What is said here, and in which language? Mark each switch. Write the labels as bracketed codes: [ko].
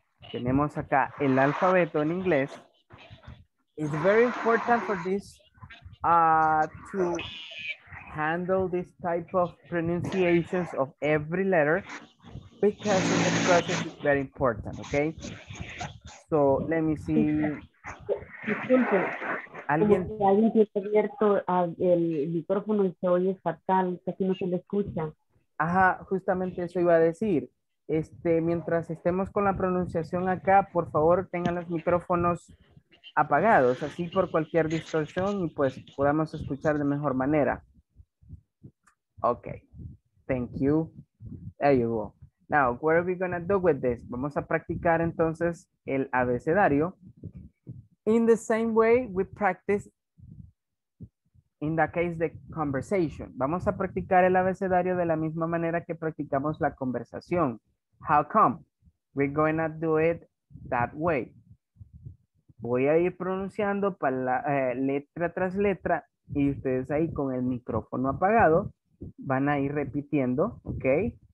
[es] Tenemos acá el alfabeto en inglés. [en] It's very important for this to handle this type of pronunciations of every letter, because in the process is very important, okay? So let me see. [es] Disculpe. ¿Alguien? Como que alguien tiene abierto el micrófono y se oye fatal, casi no se le escucha. Ajá, justamente eso iba a decir. Mientras estemos con la pronunciación acá, por favor tengan los micrófonos apagados, así por cualquier distorsión y pues podamos escuchar de mejor manera. [en] Ok, thank you. There you go. Now, what are we going to do with this? [es] Vamos a practicar entonces el abecedario. [en] In the same way we practice, in the case, the conversation. [es] Vamos a practicar el abecedario de la misma manera que practicamos la conversación. [en] How come? We're going to do it that way. [es] Voy a ir pronunciando letra tras letra y ustedes ahí con el micrófono apagado van a ir repitiendo, ¿ok?